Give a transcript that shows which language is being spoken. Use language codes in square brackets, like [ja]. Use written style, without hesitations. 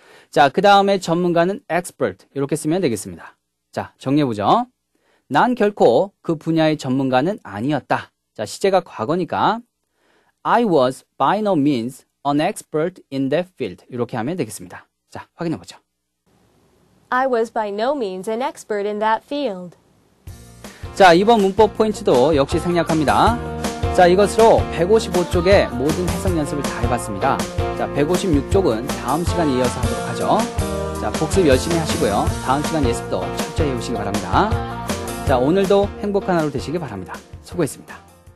[ko] 자, 그 다음에 전문가는 expert 이렇게 쓰면 되겠습니다. 자, 정리해보죠. 난 결코 그 분야의 전문가는 아니었다. 자, 시제가 과거니까 [en] I was by no means An expert in that field. [ko] 이렇게 하면 되겠습니다. 자, 확인해보죠. [en] I was by no means an expert in that field. [ko] 자, 이번 문법 포인트도 역시 생략합니다. 자, 이것으로 155쪽의 모든 해석 연습을 다 해봤습니다. 자, 156쪽은 다음 시간에 이어서 하도록 하죠. 자, 복습 열심히 하시고요. 다음 시간 예습도 철저히 해보시기 바랍니다. 자, 오늘도 행복한 하루 되시길 바랍니다. 수고했습니다.